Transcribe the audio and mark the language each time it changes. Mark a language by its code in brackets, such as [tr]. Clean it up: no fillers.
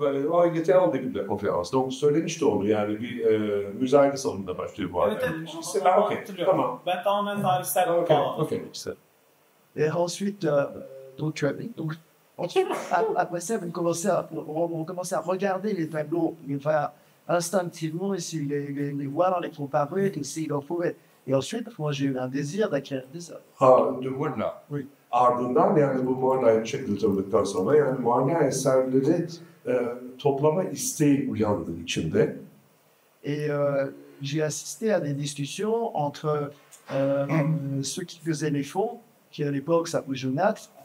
[tr] O yeter oldu gibi de konferans. Doğru söylemişti onu yani bir müzayede salonunda başlıyor bu arada. Evet, okey. Tamam. Ben tamamen tarihsel falan. Okey, güzel. [fr] Et ensuite, après ça, on commençait à regarder les tableaux. Instinctivement, et si les voir, les comparer, et si il en pouvait. Et ensuite, moi, j'ai eu un désir d'acquérir des œuvres. Ha, de Mualla. Oui. [tr] Ardından, yani bu Mualla'yı çekildirdikten sonra, yani Mualla eserleri toplama isteği uyandı içinde. [fr] Et j'ai assisté à des discussions entre ceux qui faisaient les fonds, qui à l'époque s'appelait Jonat.